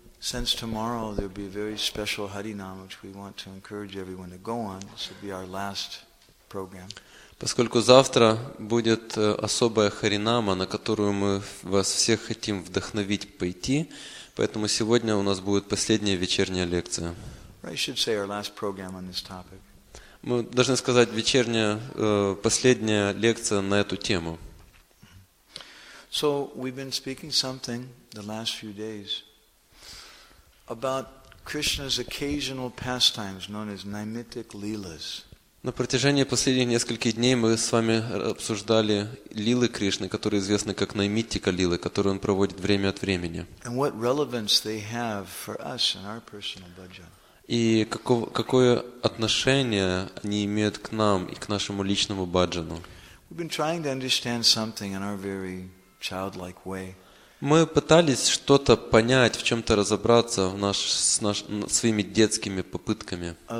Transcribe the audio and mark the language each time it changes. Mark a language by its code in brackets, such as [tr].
[en] Since tomorrow there'll be a very special Харинам, which we want to encourage everyone to go on. This will be our last program. [ru] Поскольку завтра будет особая Харинама, на которую мы вас всех хотим вдохновить пойти, поэтому сегодня у нас будет последняя вечерняя лекция. [en] I should say our last program on this topic. [ru] Мы должны сказать, вечерняя, последняя лекция на эту тему. [en] So we've been speaking something the last few days about Krishna's occasional pastimes known as Naimittic Leelas. [ru] На протяжении последних нескольких дней мы с вами обсуждали лилы Кришны, которые известны как Наймиттика лилы, которые он проводит время от времени. [en] And what relevance they have for us in our personal bhajan. [ru] И какое отношение они имеют к нам и к нашему личному баджану. Мы пытались что-то понять, в чем-то разобраться в своими детскими попытками.